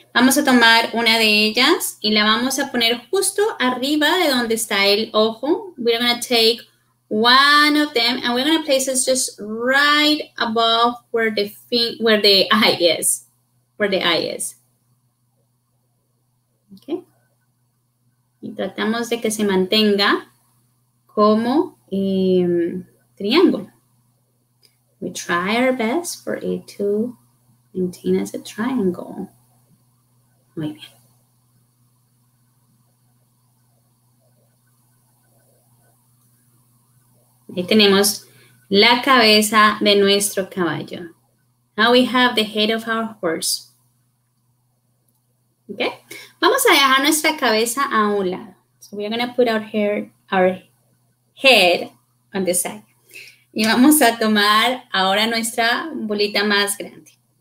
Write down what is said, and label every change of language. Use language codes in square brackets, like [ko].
[es] Vamos a tomar una de ellas y la vamos a poner justo arriba de donde está el ojo. [en] We're going to take one of them, and we're going to place it just right above where the eye is. where the I is. Okay. [es] Y tratamos de que se mantenga como triángulo. [en] We try our best for it to maintain as a triangle. [es] Muy bien. Ahí tenemos la cabeza de nuestro caballo. [en] Now we have the head of our horse. Okay? [es] Vamos a dejar nuestra cabeza a un lado. [en] So we are going to put our head on the side. [es] Y vamos a tomar ahora nuestra bolita más grande.